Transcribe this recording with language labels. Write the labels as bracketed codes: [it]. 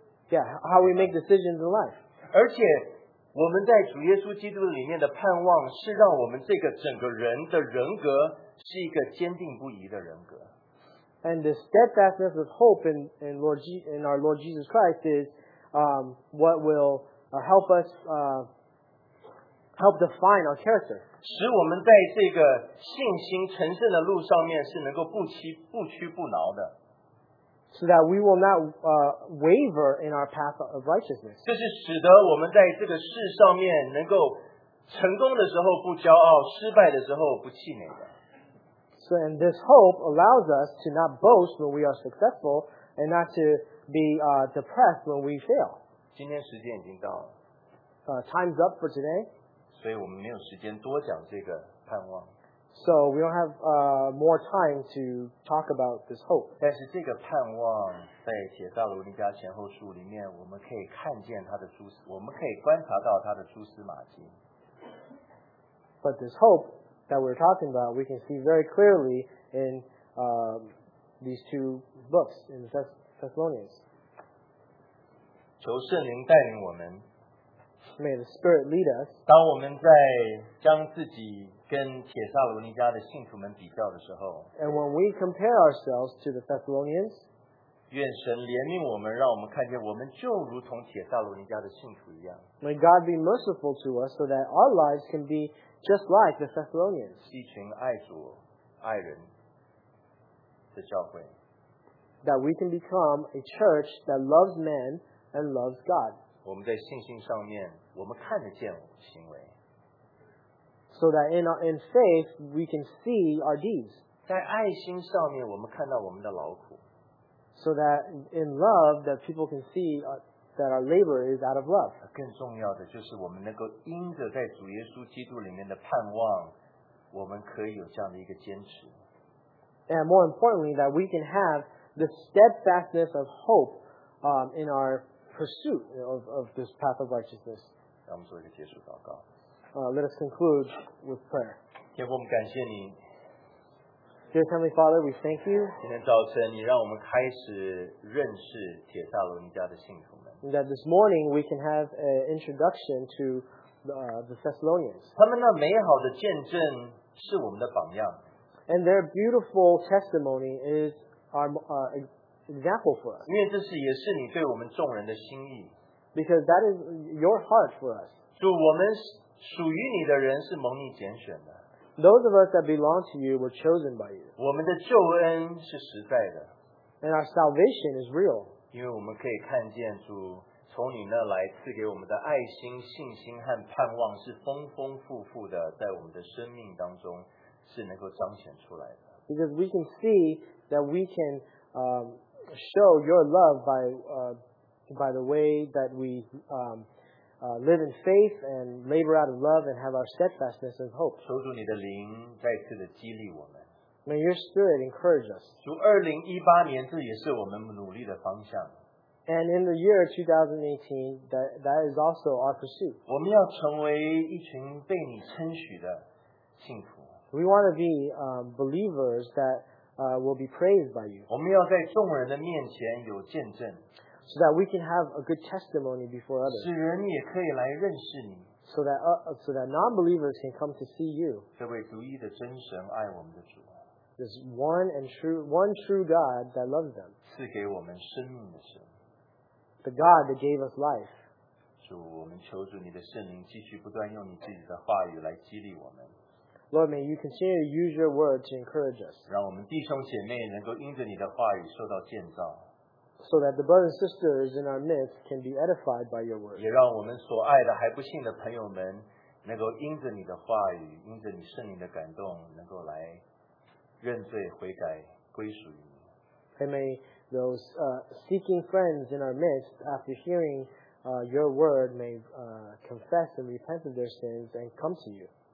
[en] How we make decisions in life. [zh] 而且我们在主耶稣基督里面的盼望是让我们这个整个人的人格是一个坚定不移的人格。 [en] And the steadfastness of hope in our Lord Jesus Christ is what will help us help define our character. [zh] 使我们在这个信心成圣的路上面是能够不屈不挠的。 [en] So that we will not waver in our path of righteousness. [zh] 这是使得我们在这个世上面能够成功的时候不骄傲，失败的时候不气馁的。 [en] So and this hope allows us to not boast when we are successful and not to be depressed when we fail. [zh] 今天时间已经到了。 [en] Time's up for today. [zh] 所以我们没有时间多讲这个盼望。 [en] So we don't have more time to talk about this hope. [zh] 但是这个盼望在帖撒罗尼迦前后书里面，我们可以看见它的蛛丝，我们可以观察到它的蛛丝马迹。 [en] But this hope that we're talking about, we can see very clearly in these two books in Thessalonians. [zh] 求圣灵带领我们。 [en] May the Spirit lead us. [zh] 当我们在将自己跟帖撒罗尼迦的信徒们比较的时候， [en] And when we compare ourselves to the Thessalonians, [zh] 愿神怜悯我们，让我们看见我们就如同帖撒罗尼迦的信徒一样。 [en] May God be merciful to us so that our lives can be just like the Thessalonians. [zh] 一群爱主、爱人的教会。 [en] That we can become a church that loves men and loves God. [zh] 我们在信心上面，我们看得见行为。 [en] So that in faith, we can see our deeds. [zh] 在爱心上面，我们看到我们的劳苦。 [en] So that in love, that people can see that our labor is out of love. [zh] 更重要的就是我们能够因着在主耶稣基督里面的盼望，我们可以有这样的一个坚持。 [en] And more importantly, that we can have the steadfastness of hope in our pursuit of this path of righteousness. [zh] 让我们做一个结束祷告。 [en] Let us conclude with prayer. [zh] 天父，我们感谢你。 [en] Dear Heavenly Father, we thank you. [zh] 今天早晨，你让我们开始认识帖撒罗尼迦的信徒们。 [en] That this morning we can have an introduction to the Thessalonians. [zh] 他们那美好的见证是我们的榜样。 [en] And their beautiful testimony is our example for us. [zh] 因为这是也是你对我们众人的心意。 [en] Because that is your heart for us. [zh] 主，我们属于你的人是蒙你拣选的。 [en] Those of us that belong to you were chosen by you. [zh] 我们的救恩是实在的。 [en] And our salvation is real. [zh] 因为我们可以看见主从你那来赐给我们的爱心、信心和盼望是丰丰富富的，在我们的生命当中是能够彰显出来的。 [en] Because we can see that we can show your love by the way that we live in faith and labor out of love and have our steadfastness and hope. [zh] 求主你的灵再次的激励我们。 [en] May your spirit encourage us. [zh] 主2018年这也是我们努力的方向。 [en] And in the year 2018, that is also our pursuit. [zh] 我们要成为一群被你称许的信徒。 [en] We want to be believers that will be praised by you. [zh] 我们要在众人的面前有见证。 [en] So that we can have a good testimony before others. [zh] 使人也可以来认识你。 [en] so that non-believers can come to see you. This one true God that loves them. The God that gave us life. [zh] 主，我们求主你的圣灵继续不断用你自己的话语来激励我们。 [en] Lord, may you continue to use your word to encourage us. [zh] 让我们弟兄姐妹能够因着你的话语受到建造。 [en] So that the brothers and sisters in our midst can be edified by your word. [zh] 也让我们所爱的还不信的朋友们能够因着你的话语，因着你圣灵的感动，能够来认罪悔改，归属于你。 [en] And may those seeking friends in our midst, after hearing your word, may confess and repent of their sins and come to you.